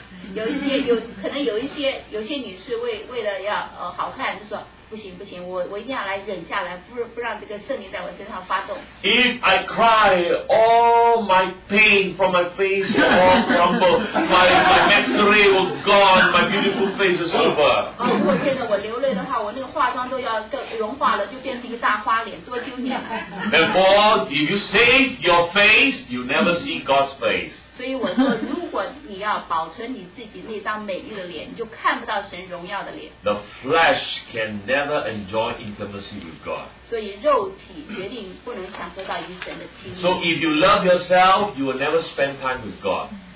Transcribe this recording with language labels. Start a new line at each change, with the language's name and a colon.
Chinese: 有些女士为了要好看，就说不行，我一定要来忍下来，不让这个圣灵在我身上发动。
English: If I cry, all my pain from my face will all crumble. my mascara will gone, my beautiful face is over.
Chinese: 如果现在我流泪的话，我那个化妆都要融化了，就变成一个大花脸，多丢脸。
English: And Paul, if you save your face, you never see God's face.
Chinese: 所以我说，如果你要保存你自己那张美丽的脸，你就看不到神荣耀的脸。
English: The flesh can never enjoy intimacy with God.
Chinese: 所以肉体决定不能享受到与神的亲密。
English: So if you love yourself, you will never spend time with God.